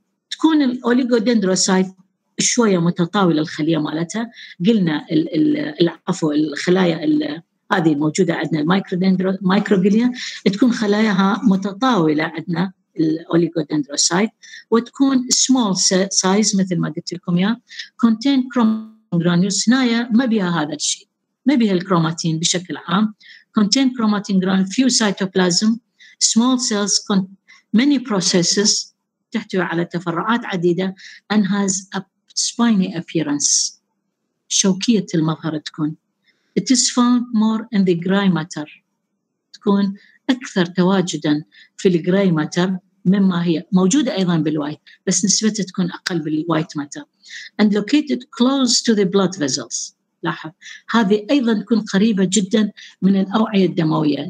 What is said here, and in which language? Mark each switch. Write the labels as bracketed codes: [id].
[ar] تكون الأوليغودندروسايت شوية متطاولة الخلية مالتها، قلنا العفو الخلايا هذه موجودة عندنا الميكروغليا تكون خلاياها متطاولة عندنا الأوليغودندروسايت، وتكون [en] small size [ar] مثل ما قلت لكم يا [en] contain chromatin granules. [ar] هنا ما بيها هذا الشيء، ما بيها الكروماتين بشكل عام. [en] contain chromatin granules, few cytoplasm, small cells, many processes، [ar] تحتوي على تفرعات عديدة [en] and has a spiny appearance، [ar] شوكية المظهر تكون. [en] it is found more in the gray matter، [ar] تكون أكثر تواجداً في الجراي ماتر مما هي موجودة أيضاً بالوايت، بس نسبتها تكون أقل بالوايت ماتر. [en] and located close to the blood vessels، [ar] لاحظ هذه أيضاً تكون قريبة جداً من الأوعية الدموية.